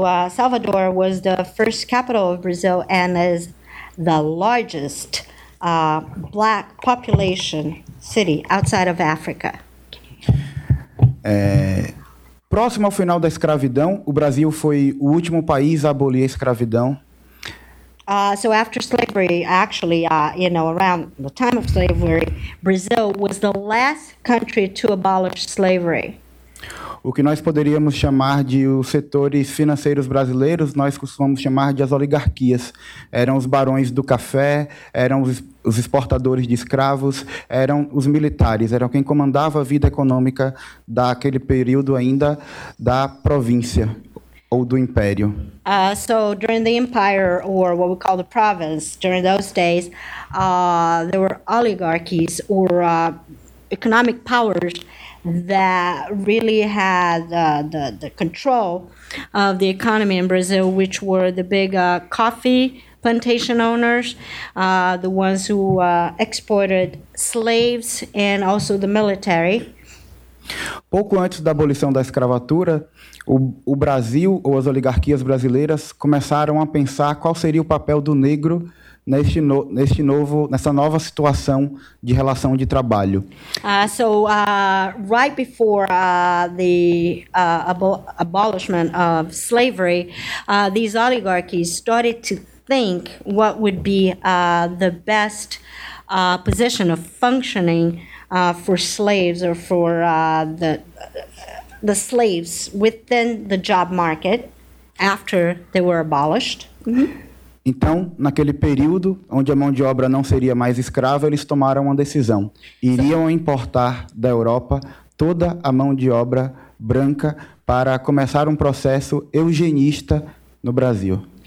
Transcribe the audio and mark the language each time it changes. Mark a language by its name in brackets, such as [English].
[English] Salvador was the first capital of Brazil and is the largest black population city outside of Africa. [Portuguese] Próximo ao final da escravidão, o Brasil foi o último país a abolir a escravidão. [English] So after slavery, actually, you know, around the time of slavery, Brazil was the last country to abolish slavery. [Portuguese] O que nós poderíamos chamar de os setores financeiros brasileiros, nós costumamos chamar de as oligarquias. Eram os barões do café, eram os exportadores de escravos, eram os militares, eram quem comandava a vida econômica daquele período ainda da província ou do império. [English] So during the empire, or what we call the province, during those days, there were oligarchies or economic powers that really had the control of the economy in Brazil, which were the big coffee plantation owners, the ones who exported slaves, and also the military. [Portuguese] Pouco antes da abolição da escravatura, o Brasil, ou as oligarquias brasileiras, começaram a pensar qual seria o papel do negro nessa nova situação de relação de trabalho. [English] Right before the abolishment of slavery, these oligarchies started to think what would be the best position of functioning for slaves or for the slaves within the job market after they were abolished. Mm-hmm. [Portuguese] Então, naquele período onde a mão de obra não seria mais escrava, eles tomaram uma decisão. Iriam importar da Europa toda a mão de obra branca para começar um processo eugenista no Brasil.